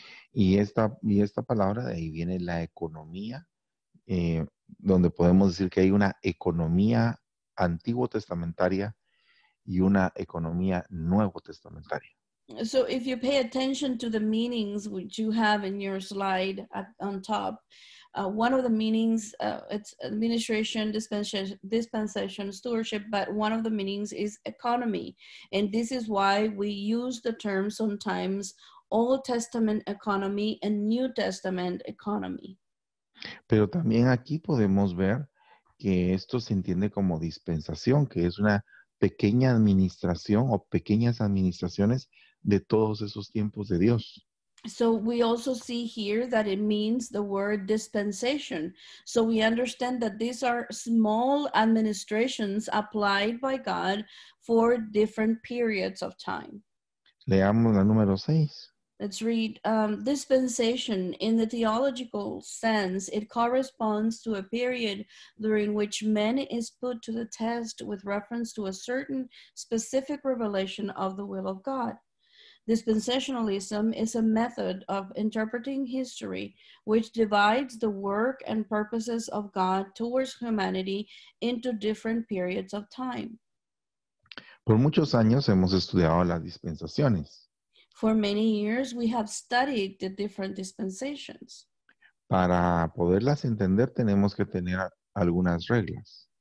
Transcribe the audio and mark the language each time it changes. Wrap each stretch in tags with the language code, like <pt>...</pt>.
<es>Y esta palabra de ahí viene la economía, donde podemos decir que hay una economía antiguo testamentaria y una economía nuevo testamentaria.</es> <en>So if you pay attention to the meanings which you have in your slide on top, one of the meanings, it's administration, dispensation, stewardship, but one of the meanings is economy. And this is why we use the term sometimes Old Testament economy and New Testament economy.</en> <es>Pero también aquí podemos ver que esto se entiende como dispensación, que es una pequeña administración o pequeñas administraciones de todos esos tiempos de Dios.</es> <en>So we also see here that it means the word dispensation. So we understand that these are small administrations applied by God for different periods of time.</en> <es>Leamos la número 6.</es> <en>Let's read dispensation. In the theological sense, it corresponds to a period during which man is put to the test with reference to a certain specific revelation of the will of God. Dispensationalism is a method of interpreting history which divides the work and purposes of God towards humanity into different periods of time.</en> <es>Por muchos años hemos estudiado las dispensaciones.</es> <en>For many years, we have studied the different dispensations.</en> <es>Para poderlas entender, tenemos que tener algunas reglas.</es>